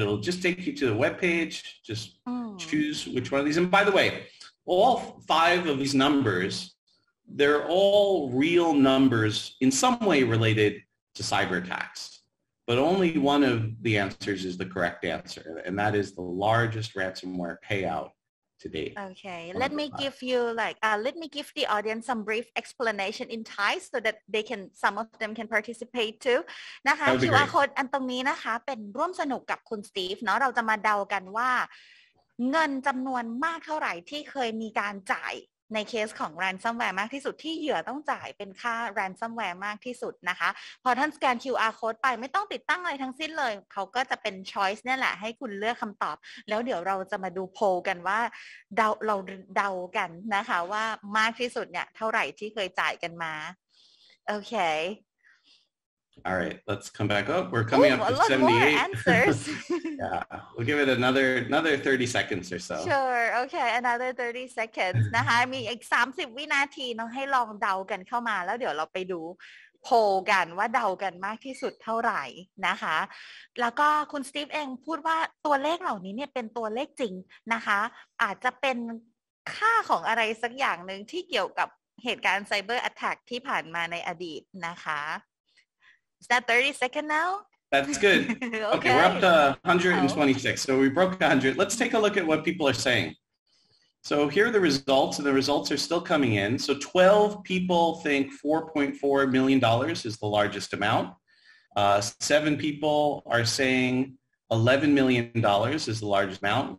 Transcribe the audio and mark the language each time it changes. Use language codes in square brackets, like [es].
[en] It'll just take you to the web page. Just choose which one of these. And by the way, all five of these numbers, they're all real numbers in some way related to cyber attacks. But only one of the answers is the correct answer. And that is the largest ransomware payout to date. Okay. Let me give you the audience some brief explanation in Thai so that they can some of them can participate too. [th] นะคะ QR code อันตรงนี้นะคะเป็นร่วมสนุกกับคุณสตีฟเนาะเราจะมาเดากันว่าเงินจำนวนมากเท่าไหร่ที่เคยมีการจ่ายในเคสของ ransomware มากที่สุดที่เหยื่อต้องจ่ายเป็นค่า ransomware มากที่สุดนะคะพอท่านสแกน QR code ไปไม่ต้องติดตั้งอะไรทั้งสิ้นเลยเขาก็จะเป็น choice เนี่ยแหละให้คุณเลือกคำตอบแล้วเดี๋ยวเราจะมาดูโพลกันว่าเรากันนะคะว่ามากที่สุดเนี่ยเท่าไหร่ที่เคยจ่ายกันมาโอเค [en] All right, let's come back up. We're coming up to 78. Answers. Yeah, we'll give it another 30 seconds or so. Sure. Okay, another 30 seconds. [th] นะคะมีอีก30วินาทีเนาะให้ลองเดากันเข้ามาแล้วเดี๋ยวเราไปดูโพลกันว่าเดากันมากที่สุดเท่าไหร่นะคะแล้วก็คุณสตีฟเองพูดว่าตัวเลขเหล่านี้เนี่ยเป็นตัวเลขจริงนะคะอาจจะเป็นค่าของอะไรสักอย่างนึงที่เกี่ยวกับเหตุการณ์ไซเบอร์อัตแทคที่ผ่านมาในอดีตนะคะ [en] Is that 30 seconds now? That's good. Okay, we're up to 126. So we broke 100. Let's take a look at what people are saying. So here are the results, and the results are still coming in. So 12 people think $4.4 million is the largest amount. Seven people are saying $11 million is the largest amount.